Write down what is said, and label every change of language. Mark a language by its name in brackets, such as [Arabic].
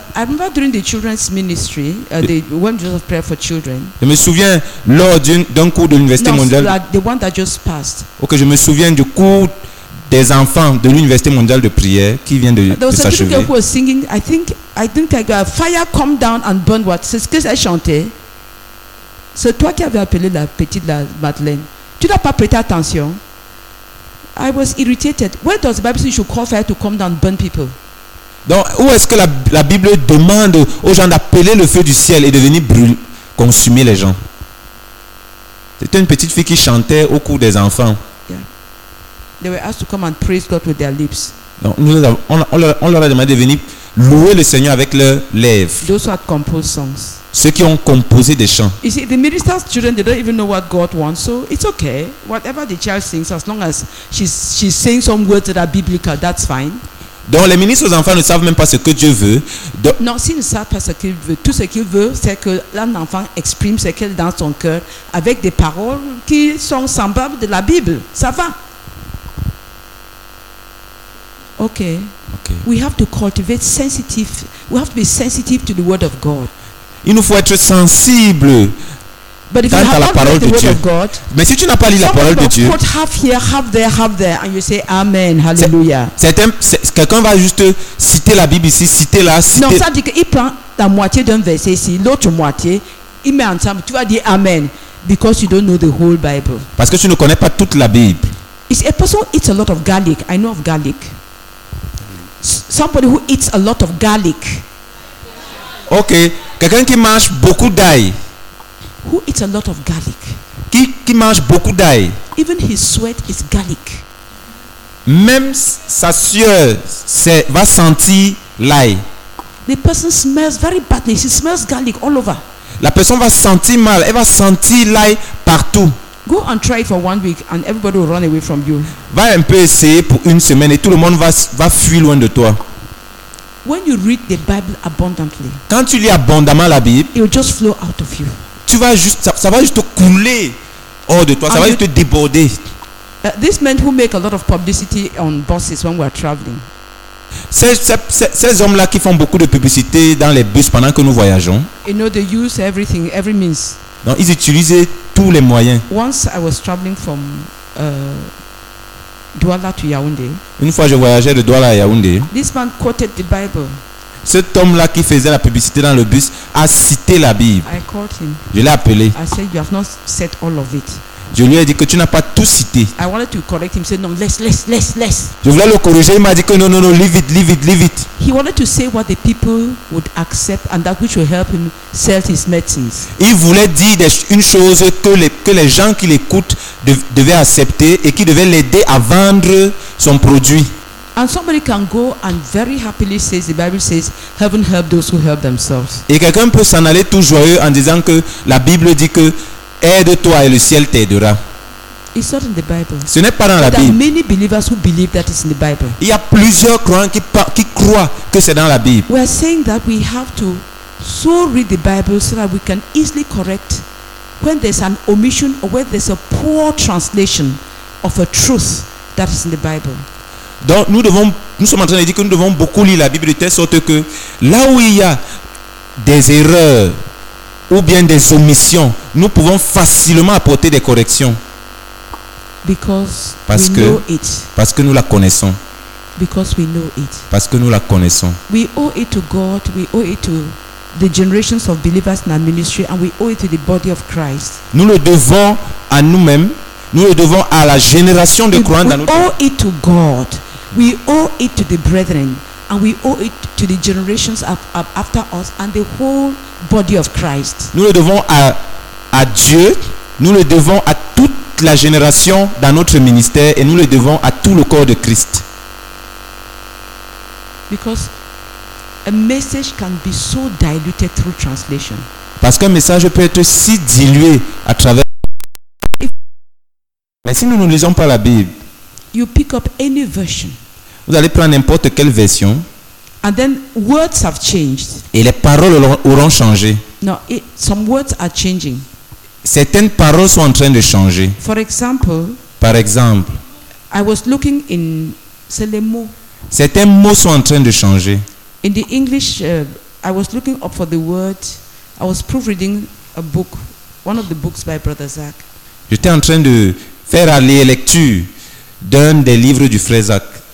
[English] I remember during the children's ministry, the one just of prayer for children. [French] Je me souviens lors d'un cours de l'université mondiale. [English] The one that just passed. [French] Okay, je me souviens du cours des enfants de l'université mondiale de prière qui vient de s'achever. [English] There was a little girl who was singing. I think fire come down and burn what? [French] C'est ce que j'ai chanté. C'est toi qui avais appelé la petite la Madeleine. Tu n'as pas prêté attention. [English] I was irritated. Where does the Bible say you should call fire to come down and burn people? [French] Donc, où est-ce que la Bible demande aux gens d'appeler le feu du ciel et de venir brûler, consumer les gens? C'était une petite fille qui chantait au cours des enfants. [English] They were asked to come and praise God with their lips. [French] Donc, on leur a demandé de venir louer le Seigneur avec leurs lèvres. [English] Those who had composed songs. [French] Ceux qui ont composé des chants. [English] You see, the minister's children, they don't even know what God wants, so it's okay. Whatever the child sings, as long as she's saying some words that are biblical, that's fine. [French] Donc les ministres aux enfants ne savent même pas ce que Dieu veut. Donc, non, s'ils ne savent pas ce qu'il veut, tout ce qu'il veut, c'est que l'enfant exprime ce qu'il a dans son cœur avec des paroles qui sont semblables de la Bible. Ça va. Okay. Okay. [English] We have to cultivate sensitive. We have to be sensitive to the word of God. [French] Il nous faut être sensible. [English] But if [French] quant [English] you have [French] à la [English] not [French] parole [English] read the [French] de Dieu. [English] God, [French] mais si tu n'as pas lu la parole de Dieu, [English] half here, half there, half there, and you say amen, hallelujah. [French] Quelqu'un va juste citer la Bible ici, citer là, citer. Non, ça dit qu'il prend la moitié d'un verset ici, l'autre moitié, il met ensemble. Tu vas dire amen, [English] because you don't know the whole Bible. [French] Parce que tu ne connais pas toute la Bible. [English] It's a person who eats a lot of garlic. I know of garlic. Somebody who eats a lot of garlic. [French] Ok, quelqu'un qui mange beaucoup d'ail. [English] Who eats a lot of garlic? [French] Qui mange beaucoup d'ail? [English] Even his sweat is garlic. [French] Même sa sueur va sentir l'ail. [English] The person smells very badly. She smells garlic all over. [French] La personne va sentir mal. Elle va sentir l'ail partout. [English] Go and try it for 1 week, and everybody will run away from you. [French] Va un peu essayer pour une semaine et tout le monde va fuir loin de toi. [English] When you read the Bible abundantly, [French] quand tu lis abondamment la Bible, [English] it will just flow out of you. [French] Ça va juste couler hors de toi. Ça va juste te déborder. [English] This man who make a lot of publicity on buses when we are traveling. [French] Ces hommes-là qui font beaucoup de publicité dans les bus pendant que nous voyageons. [English] You know, they use everything, every means. [French] Donc, ils utilisaient tous les moyens. [English] Once I was traveling from Douala to Yaoundé. [French] Une fois, je voyageais de Douala à Yaoundé. [English] This man quoted the Bible. [French] Cet homme-là qui faisait la publicité dans le bus a cité la Bible. [English] I called him. [French] Je l'ai appelé. [English] I said, you have not said all of it. [French] Je lui ai dit que tu n'as pas tout cité. [English] I wanted to correct him. He said, no, less. [French] Je voulais le corriger. Il m'a dit que non, [English] leave it. He wanted to say what the people would accept and that which will help him sell his medicines. [French] Il voulait dire une chose que les gens qui l'écoutent devaient accepter et qui devaient l'aider à vendre son produit. [English] And somebody can go and very happily says the Bible says heaven help those who help themselves. [French] Et quelqu'un peut s'en aller tout joyeux en disant que la Bible dit que aide-toi et le ciel t'aidera. [English] It's not in the Bible. [French] Ce n'est pas dans la Bible. [English] There are many believers who believe that it's in the Bible. [French] Il y a plusieurs croyants qui croient que c'est dans la Bible. [English] We are saying that we have to so read the Bible so that we can easily correct when there's an omission or when there's a poor translation of a truth that is in the Bible. [French] Donc nous sommes en train de dire que nous devons beaucoup lire la Bible de telle sorte que là où il y a des erreurs ou bien des omissions, nous pouvons facilement apporter des corrections. Parce que nous la connaissons. [English] Because we know it. [French] Parce que nous la connaissons. [English] We owe it to God. We owe it to the generations of believers in our ministry, and we owe it to the body of Christ. [French] Nous le devons à nous-mêmes. Nous le devons à la génération de croyants dans notre. [English] We owe it to God. We owe it to the brethren, and we owe it to the generations of after us and the whole body of Christ. [French] Nous le devons à Dieu. Nous le devons à toute la génération dans notre ministère, et nous le devons à tout le corps de Christ. [English] Because a message can be so diluted through translation. [French] Parce qu'un message peut être si dilué à travers. Mais si nous ne lisons pas la Bible, [English] you pick up any version, [French] vous allez prendre n'importe quelle version, [English] and then words have changed. [French] Et les paroles auront changé. [English] No, some words are changing. [French] Certaines paroles sont en train de changer. [English] For example, [French] par exemple, [English] I was looking in, [French] c'est les mots. Certains mots sont en train de changer. [English] In the English, I was looking up for the word. I was proofreading a book, one of the books by Brother Zach. [French] J'étais en train de faire aller lecture d'un des livres du frère Zach.